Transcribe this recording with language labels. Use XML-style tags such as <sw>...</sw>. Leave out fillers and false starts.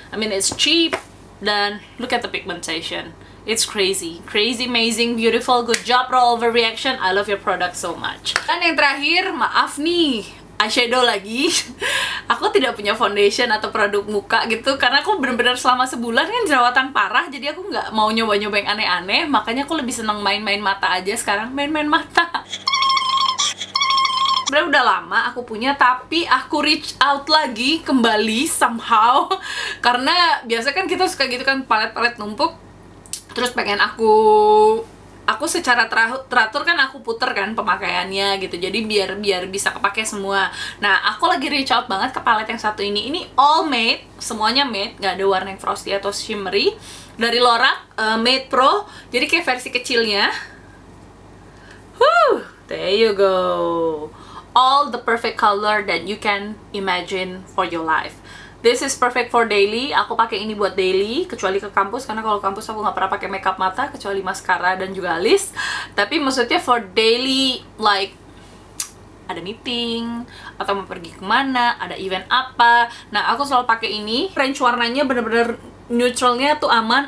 <en>I mean, it's cheap dan look at the pigmentation, it's crazy amazing beautiful. Good job rollover reaction, I love your product so much.</en> <id>Dan yang terakhir, maaf nih, eyeshadow lagi. Aku tidak punya foundation atau produk muka gitu, karena aku benar-benar selama sebulan kan jerawatan parah, jadi aku nggak mau nyoba-nyoba yang aneh-aneh, makanya aku lebih seneng main-main mata aja sekarang. Main-main mata sebenernya udah lama aku punya, tapi aku reach out lagi kembali somehow, karena biasa kan kita suka gitu kan, palet-palet numpuk terus pengen aku secara teratur kan aku puter kan pemakaiannya gitu, jadi biar bisa kepake semua. Nah, aku lagi reach out banget ke palet yang satu ini. Ini all matte, semuanya matte, nggak ada warna yang frosty atau shimmery, dari Lorac, Matte Pro, jadi kayak versi kecilnya.</id> <en>Whew, there you go, all the perfect color that you can imagine for your life. This is perfect for daily.</en> <id>Aku pakai ini buat daily, kecuali ke kampus, karena kalau kampus aku nggak pernah pakai makeup mata kecuali mascara dan juga alis. Tapi maksudnya</id> <en>for daily, like</en> <id>ada meeting atau mau pergi kemana, ada event apa. Nah, aku selalu pakai ini. Range warnanya bener-bener neutralnya tuh aman.</id>